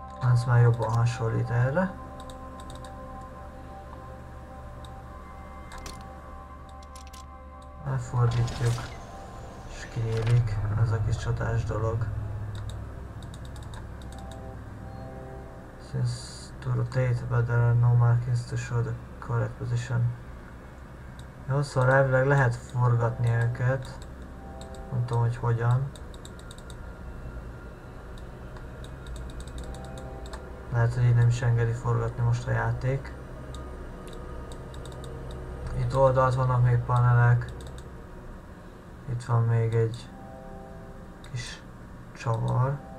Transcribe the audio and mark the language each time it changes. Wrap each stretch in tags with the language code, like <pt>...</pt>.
<hu>Az már jobban hasonlít erre. Elfordítjuk, és kinyílik ez a kis csodás dolog.</hu> <en>Since to rotate, but there are no markings to show the correct position.</en> <hu>Jó, szóval elvileg lehet forgatni őket. Nem tudom, hogy hogyan. Lehet, hogy így nem is engedi forgatni most a játék. Itt oldalt vannak még panelek. Itt van még egy kis csavar.</hu>